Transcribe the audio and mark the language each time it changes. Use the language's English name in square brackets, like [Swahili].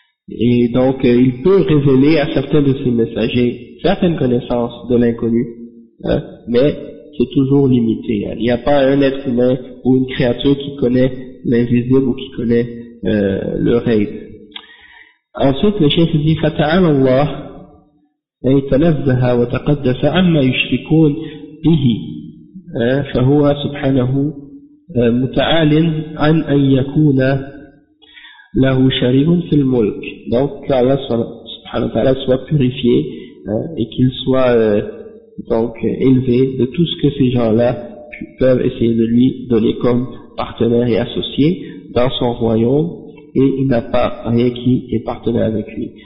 [French] Et donc, il peut révéler à certains de ses messagers certaines connaissances de l'inconnu, hein, mais c'est toujours limité. Hein. Il n'y a pas un être humain ou une créature qui connaît l'invisible ou qui connaît le raid. Ensuite, le chef dit [Arabic] « فَتَعَالَ اللَّهُ اَيْ تَنَزَّهَا وَتَقَدَّسَ عَمَّا يُشْرِكُونَ بِهِ فَهُوَ سُبْحَانَهُ مُتَعَالٍ عَنْ أَنْ يَكُونَ La Husharihun fil mulk. [French] Donc, qu'Allah subhanahu wa ta'ala soit purifié, et qu'il soit, élevé de tout ce que ces gens-là peuvent essayer de lui donner comme partenaire et associé dans son royaume, et il n'a pas rien qui est partenaire avec lui.